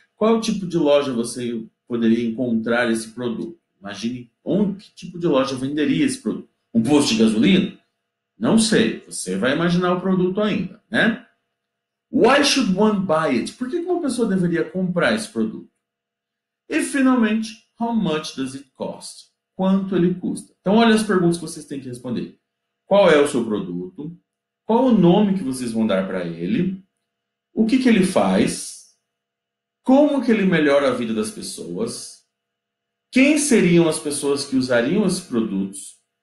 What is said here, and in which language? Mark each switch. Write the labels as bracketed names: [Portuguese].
[Portuguese] Qual tipo de loja você poderia encontrar esse produto? Imagine onde, que tipo de loja venderia esse produto? Um posto de gasolina? Não sei. Você vai imaginar o produto ainda, né? [English] Why should one buy it? [Portuguese] Por que uma pessoa deveria comprar esse produto? E finalmente, [English] how much does it cost? [Portuguese] Quanto ele custa? Então, olha as perguntas que vocês têm que responder. Qual é o seu produto? Qual o nome que vocês vão dar para ele? O que que ele faz? Como que ele melhora a vida das pessoas? Quem seriam as pessoas que usariam esses produtos?